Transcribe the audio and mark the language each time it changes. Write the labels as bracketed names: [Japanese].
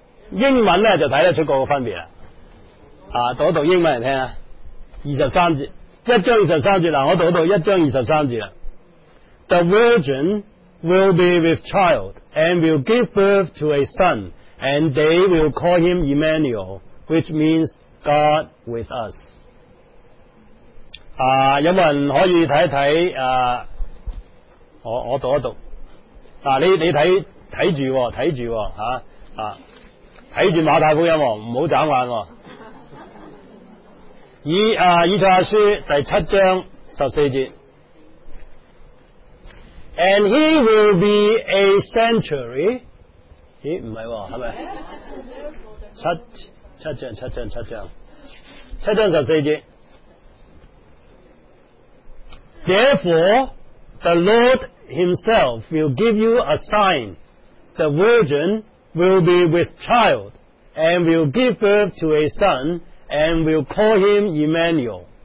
[Cantonese] 英文呢就睇得出个分别了。读一读英文来听啊。二十三节，一章二十三节，我读一读一章二十三节。 [English] The virgin will be with child and will give birth to a son, and they will call him Emmanuel, which means God with us. [Cantonese] 有冇人可以睇一睇我读一读。你睇住喎，睇住喎，睇住马太福音喎，唔好眨眼喎。以赛亚书第七章十四节。 [English] And he will be a sanctuary. [Cantonese] 咦不是喎，是不是七章十四节。 [English] Therefore, the Lord himself will give you a sign. The virgin will be with child and will give birth to a son and will call him Emmanuel.